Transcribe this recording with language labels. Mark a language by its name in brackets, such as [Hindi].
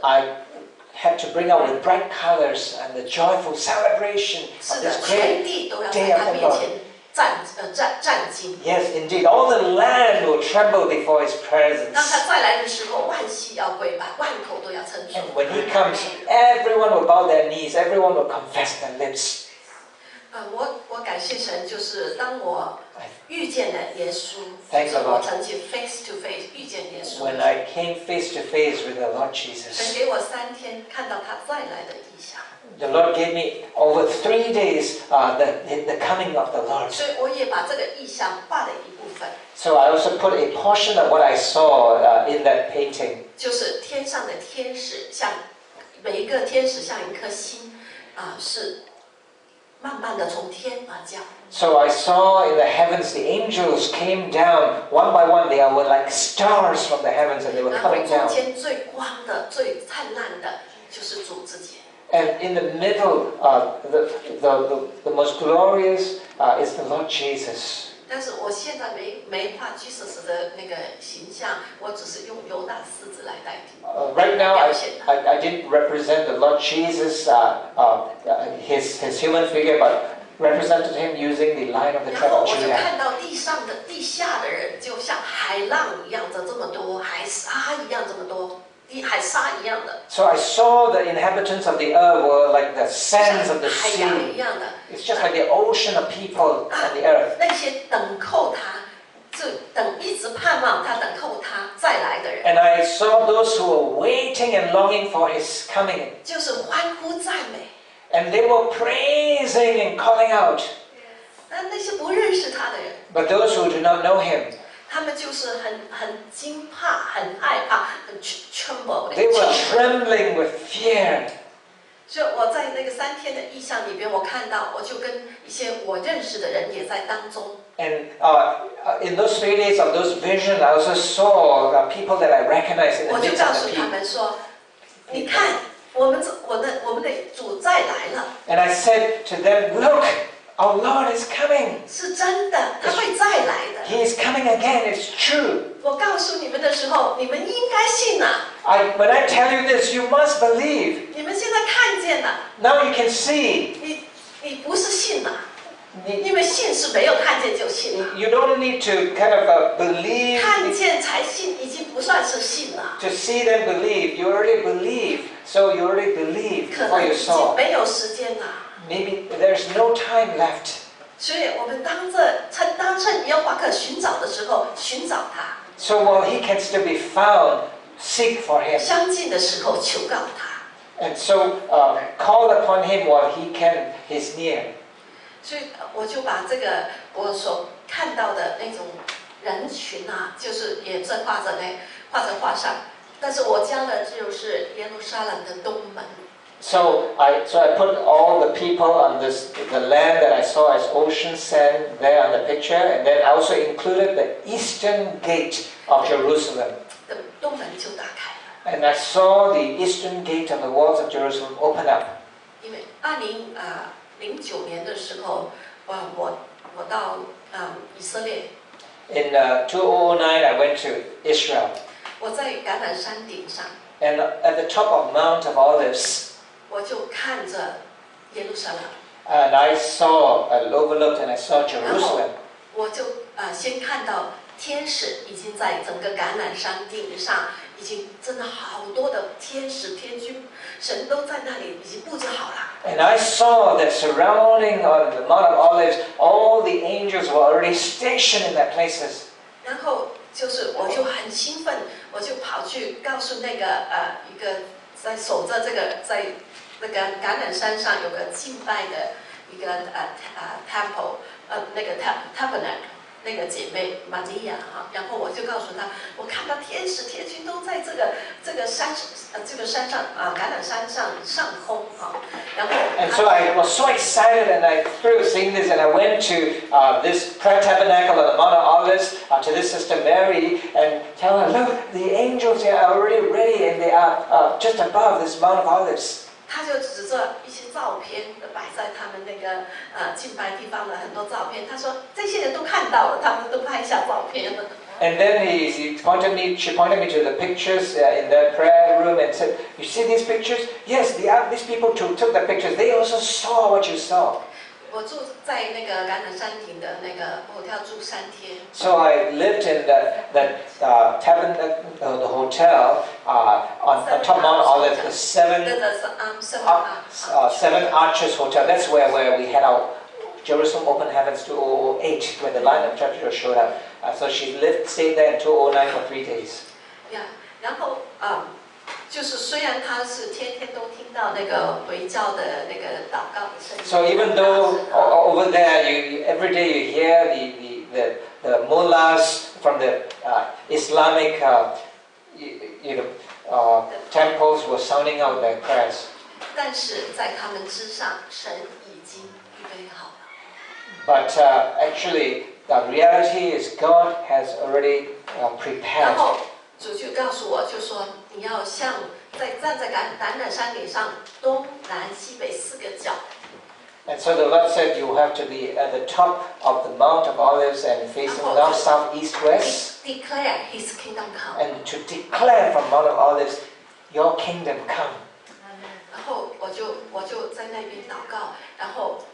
[English] I had to bring out with bright colors and the joyful celebration of this great day of the Lord. Yes, indeed, all the land will tremble before his presence. [Chinese] 当他再来的时候，万膝要跪拜，万口都要称颂。 [English] And when he comes, everyone will bow their knees, everyone will confess their lips. [Chinese] 我感谢神，就是当我 [English] Thank the Lord. Face to face, [Chinese] 遇见耶稣, [English] when I came face to face with the Lord Jesus, [Chinese] 神给我三天看到他再来的意象, [English] the Lord gave me over 3 days the coming of the Lord. So I also put a portion of what I saw in that painting. [Chinese] 就是天上的天使像, 每一个天使像一颗心, 是, 慢慢地从天而降。 [English] So I saw in the heavens the angels came down one by one. They were like stars from the heavens, and they were coming down. [Chinese] 然后中间最光的、最灿烂的就是主自己。 [English] And in the middle, the most glorious, is the Lord Jesus. [Chinese] 但是我现在没画 Jesus 的那个形象，我只是用犹大狮子来代替。 [English] Right now, I didn't represent the Lord Jesus, his human figure, but represented him using the line of the tribe of Judah. [Chinese] 然后我就看到地上的、地下的人，就像海浪一样的这么多，海沙一样这么多。 [English] So I saw the inhabitants of the earth were like the sands of the sea. It's just like the ocean of people on the earth. [Chinese] 那些等候他，就等一直盼望他，等候他再来的人。 [English] And I saw those who were waiting and longing for his coming. [Chinese] 就是欢呼赞美。 [English] And they were praising and calling out. [Chinese] 那些不认识他的人。 [English] But those who do not know him. [Chinese] 他们就是很惊怕，很害怕，很 [English] tremble。 They were trembling with fear。 [Chinese] 所以我在那个三天的异象里边，我看到，我就跟一些我认识的人也在当中。 [English] And in those 3 days of those visions, I also saw the people that I recognized in the midst of the people. [Chinese] 我就告诉他们说，你看，我们的主再来了。 [English] And I said to them, look. Our Lord is coming. [Chinese] 是真的，他会再来的。 [English] He is coming again. It's true. [Chinese] 我告诉你们的时候，你们应该信呐。 [English] When I tell you this, you must believe. [Chinese] 你们现在看见了。 [English] Now you can see. [Chinese] 你不是信呐。因为信是没有看见就信了。 [English] You don't need to kind of believe. [Chinese] 看见才信已经不算是信了。 [English] To see them believe, you already believe. So you already believe for your soul. [Chinese] 可能已经没有时间了。 [English] Maybe there's no time left. [Chinese] 所以我们当着趁当趁耶和华可寻找的时候寻找他。 [English] So while he can still be found, seek for him. [Chinese] 相近的时候求告他。 [English] And so, call upon him while he can, he's near. [Chinese] 所以我就把这个我所看到的那种人群啊，就是也在画着呢，画在画上。但是我加的就是耶路撒冷的东门。 [English] So I put all the people on this the land that I saw as ocean sand there on the picture, and then I also included the eastern gate of Jerusalem. The [Chinese] 东门就打开了。 [English] And I saw the eastern gate on the walls of Jerusalem open up. [Chinese] 因为2009年的时候，我到以色列。 [English] In 2009, I went to Israel. [Chinese] 我在橄榄山顶上。 [English] And at the top of Mount of Olives. [Chinese] 我就看着耶路撒冷。 [English] And I saw, I overlooked and I saw Jerusalem. [Chinese] 我就先看到天使已经在整个橄榄山顶上，已经真的好多的天使天君，神都在那里已经布置好了。 [English] And I saw that surrounding on the Mount of Olives, all the angels were already stationed in their places. [Chinese] 然后就是我就很兴奋，我就跑去告诉那个一个。在守着这个，在那个橄榄山上有个敬拜的一个temple， 那个 tabernacle 那个姐妹 Maria 哈，然后我就告诉她，我看到天使天君都在这个山这个山上橄榄山上空哈，然后。 [English] And so I was so excited, and I through seeing this, and I went to this prayer tabernacle of the Mount of Olives to this Sister Mary and. Tell her, look, the angels are already ready, and they are just above this Mount of Olives. [Chinese] 他就指着一些照片，摆在他们那个敬拜地方的很多照片。他说，这些人都看到了，他们都拍下照片了。 [English] And then she pointed me to the pictures in the prayer room and said, "You see these pictures? Yes, these people who took the pictures, they also saw what you saw." [Chinese] 我住在那个橄榄山顶的那个hotel住三天。 [English] So I lived in that. The hotel on the top Mount Olive, the seven arches hotel. That's where we had our Jerusalem Open Heavens 2008, when the line of Joshua showed up. So she stayed there in 2009 for 3 days. [Chinese] Yeah, 然后就是虽然她是天天都听到那个回教的那个祷告的声音。 [English] So even though over there, every day you hear the mullahs. From the Islamic, temples were sounding out their prayers. [Chinese] 但是在他们之上，神已经预备 [English] But actually, the reality is God has already prepared. [Chinese] 然后主就告诉我，就说你要向在站在橄榄山顶上东南西北四个角。 [English] And so the Lord said you have to be at the top of the Mount of Olives and facing north, south, east, west. Declare His kingdom come. And to declare from Mount of Olives, Your kingdom come. [Chinese] 然后我就在那边祷告，然后。